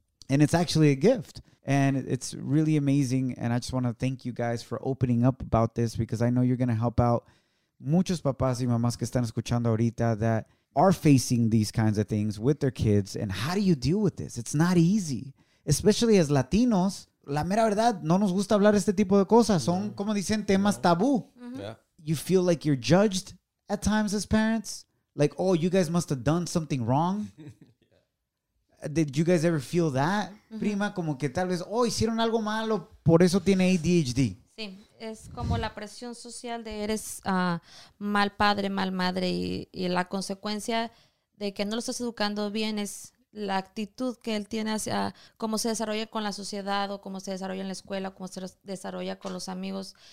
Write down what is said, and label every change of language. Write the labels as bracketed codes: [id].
[en] And it's actually a gift. And it's really amazing. And I just want to thank you guys for opening up about this because I know you're going to help out [es] muchos papás y mamás que están escuchando ahorita [en] that are facing these kinds of things with their kids. And how do you deal with this? It's not easy, especially as Latinos. [es] La mera verdad, no nos gusta hablar este tipo de cosas. Son, no, como dicen, temas tabú. Mm-hmm. [en] Yeah. You feel like you're judged at times as parents. Like, oh, you guys must have done something wrong. Yeah. Did you guys ever feel that? Mm-hmm. [es] Prima, como que tal vez, oh, hicieron algo malo, por eso tiene ADHD. Sí, es como la presión social de eres mal padre, mal madre, y la consecuencia de que no lo estás educando bien es la actitud que él tiene hacia cómo se desarrolla con la sociedad o cómo se desarrolla en la escuela, cómo se desarrolla con los amigos.